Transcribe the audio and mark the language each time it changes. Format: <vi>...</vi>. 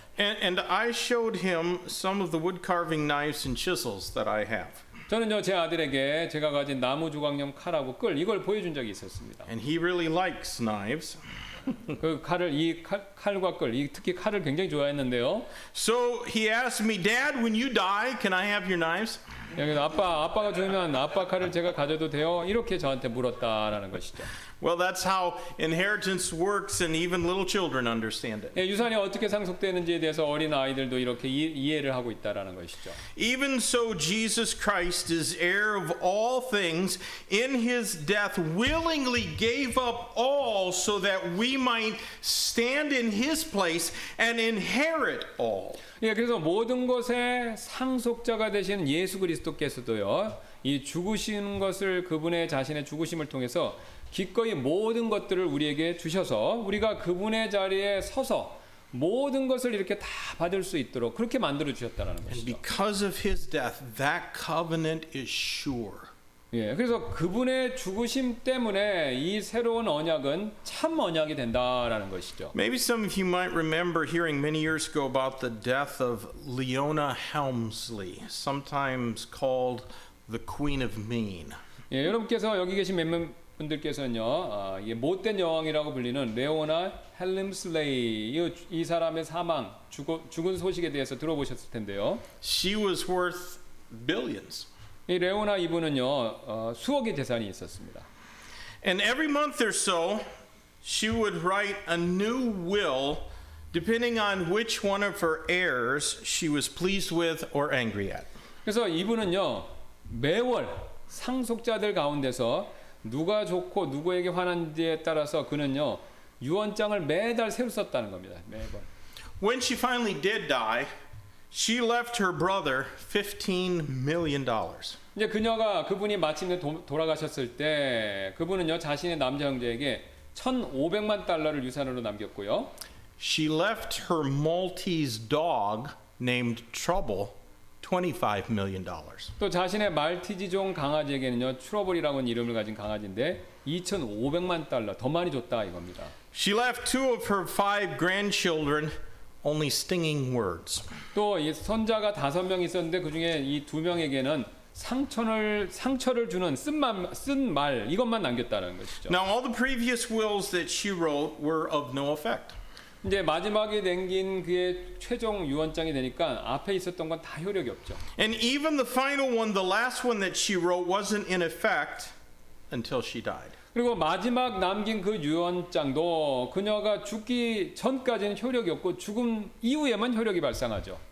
<en>And I showed him some of the wood carving knives and chisels that I have.</en> <ko>저는요 제 아들에게 제가 가진 나무 조각용 칼하고 끌 이걸 보여준 적이 있었습니다.</ko> <en>And he really likes knives.</en> <ko>그 칼을 이 칼과 끌 특히 칼을 굉장히 좋아했는데요.</ko> <en>So he asked me, Dad, when you die, can I have your knives?</en> <ko>여기서 아빠가 죽으면 아빠 칼을 제가 가져도 돼요? 이렇게 저한테 물었다라는 것이죠.</ko> <en>Well, that's how inheritance works, and even little children understand it.</en> <ko>예, 유산이 어떻게 상속되는지에 대해서 어린 아이들도 이렇게 이해를 하고 있다라는 것이죠.</ko> <en>Even so, Jesus Christ is heir of all things. In His death, willingly gave up all, so that we might stand in His place and inherit all.</en> <ko>예, 그래서 모든 것의 상속자가 되신 예수 그리스도께서도요, 이 죽으신 것을 그분의 자신의 죽으심을 통해서 기꺼이 모든 것들을 우리에게 주셔서 우리가 그분의 자리에 서서 모든 것을 이렇게 다 받을 수 있도록 그렇게 만들어 주셨다라는 것이죠.</ko> <en>And because of his death, that covenant is sure.</en> <ko>예, 그래서 그분의 죽으심 때문에 이 새로운 언약은 참 언약이 된다라는 것이죠.</ko> <en>Maybe some of you might remember hearing many years ago about the death of Leona Helmsley, sometimes called the Queen of Mean.</en> <ko>예, 여러분께서 여기 계신 몇몇 분들께서는요, 이게 못된 여왕이라고 불리는 레오나 헬름슬레이 이 사람의 사망, 죽은 소식에 대해서 들어보셨을 텐데요.</ko> <en>She was worth billions.</en> <ko>이 레오나 이분은요 수억의 재산이 있었습니다.</ko> <en>And every month or so, she would write a new will, depending on which one of her heirs she was pleased with or angry at.</en> <ko>그래서 이분은요 매월 상속자들 가운데서 누가 좋고 누구에게 화난지에 따라서 그는요 유언장을 매달 새로 썼다는 겁니다. 매번.</ko> <en>When she finally did die, she left her brother $15 million.</en> <ko>이제 그녀가 그분이 마침내 돌아가셨을 때 그분은요 자신의 남자 형제에게 1,500만 달러를 유산으로 남겼고요.</ko> <en>She left her Maltese dog named Trouble $25 million.</en> <ko>또 자신의 말티즈종 강아지에게는요 트러블이라고는 이름을 가진 강아지인데 2,500만 달러 더 많이 줬다 이겁니다.</ko> <en>She left two of her five grandchildren. Only stinging words.</en> <ko>또 이 손자가 다섯 명 있었는데 그 중에 이 두 명에게는 상처를 주는 쓴 말 이것만 남겼다는 것이죠.</ko> <en>Now all the previous wills that she wrote were of no effect.</en> <ko>이제 마지막에 남긴 그의 최종 유언장이 되니까 앞에 있었던 건 다 효력이 없죠.</ko> <en>And even the final one, the last one that she wrote, wasn't in effect until she died.</en> <ko>그리고 마지막 남긴 그 유언장도 그녀가 죽기 전까지는 효력이 없고 죽음 이후에만 효력이 발생하죠.</ko>